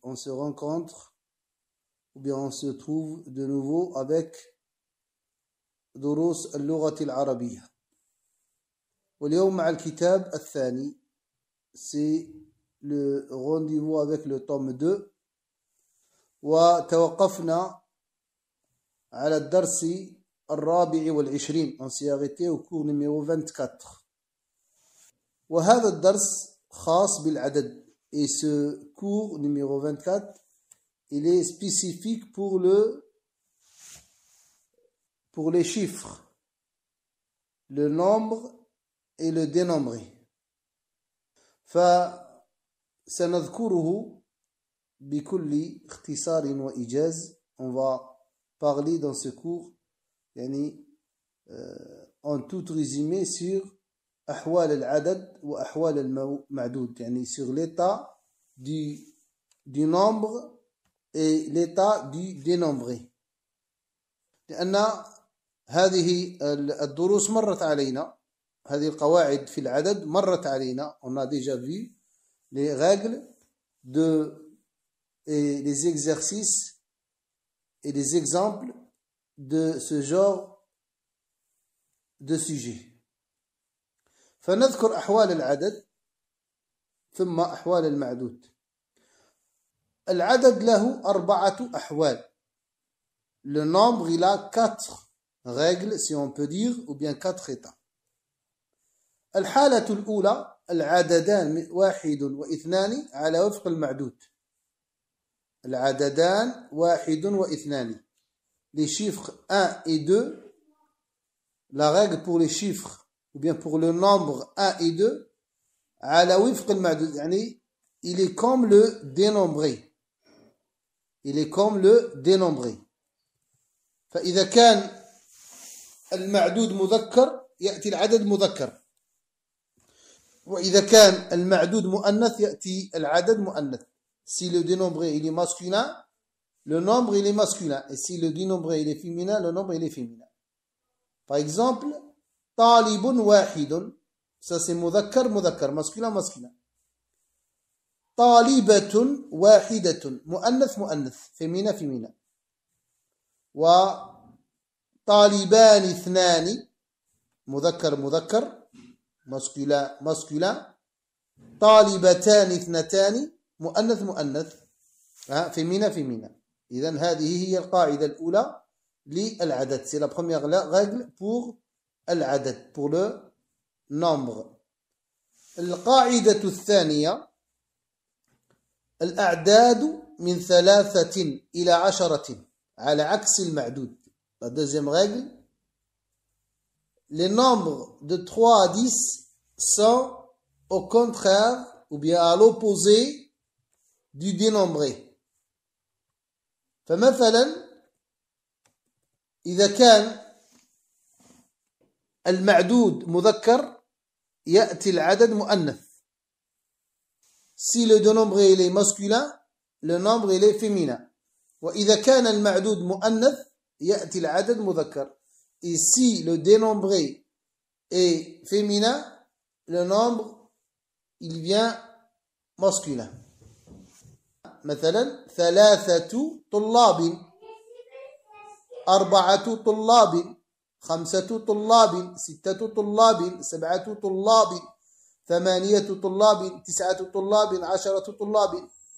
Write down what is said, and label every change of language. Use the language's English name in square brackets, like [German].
[French] On se rencontre ou bien on se trouve de nouveau avec [Arabic] دروس اللغة العربية. واليوم مع الكتاب الثاني. [French] C'est le rendez-vous avec le tome 2. [Arabic] وتوقفنا على الدرس الرابع والعشرين. [French] On s'est arrêté au cours numéro 24. [Arabic] وهذا الدرس خاص بالعدد. [French] Et ce cours numéro 24, il est spécifique pour les chiffres, le nombre et le dénombré. [Arabic] Fa sanadhkuruhu bikulli ikhtisarin wa ijaz. [French] On va parler dans ce cours, yani en tout résumé sur [Arabic] ahwal al-adad wa ahwal al-ma'doud, [French] yani sur l'état du nombre et l'état du dénombré. [Arabic] لأن هذه الدروس مرت علينا، هذه القواعد في العدد مرت علينا. [French] On a déjà vu les règles de et les exercices et les exemples de ce genre de sujet. [Arabic] فنذكر أحوال العدد ثم أحوال المعدود. العدد له أربعة أحوال. [French] Le nombre il a quatre règles, si on peut dire, ou bien quatre états. [Arabic] الحالة الأولى العددان واحد واثنان على وفق المعدود. العددان واحد واثنان. [French] Les chiffres 1 et 2. La règle pour les chiffres, ou bien pour le nombre 1 et 2, [Arabic] على وفق المعدود. [French] يعني il est comme le dénombré. Il est comme le dénombré. [Arabic] فإذا كان المعدود مذكر يأتي العدد مذكر. وإذا كان المعدود مؤنث يأتي العدد مؤنث. [French] Si le dénombré il est masculin, le nombre il est masculin. Et si le dénombré il est féminin, le nombre il est féminin. Par exemple, [Arabic] طالب واحد. [French] Ça c'est [Arabic] مذكر مذكر. [French] Masculin masculin. [Arabic] طالبة واحدة مؤنث مؤنث [French] فيمينة فيمينة [Arabic] وطالبان اثنان مذكر مذكر [French] مسكولا مسكولا [Arabic] طالبتان اثنتان مؤنث مؤنث فيمينة فيمينة. إذن هذه هي القاعدة الأولى للعدد. [French] C'est la première règle pour العدد, pour le nombre. [Arabic] القاعدة الثانية الأعداد من ثلاثة إلى عشرة على عكس المعدود. [French] La deuxième règle. Les nombres de 3 à 10 sont au contraire ou bien à l'opposé du dénombré. [Arabic] فمثلا إذا كان المعدود مذكر يأتي العدد مؤنث. [French] Si le dénombré il est masculin, le nombre il est féminin. [Arabic] وإذا كان المعدود مؤنث يأتي العدد مذكر. [French] Et si le dénombré est féminin, le nombre il vient masculin. [Arabic] مثلا ثلاثة طلاب أربعة طلاب خمسة طلاب ستة طلاب سبعة طلاب ثمانية طلاب تسعة طلاب عشرة طلاب.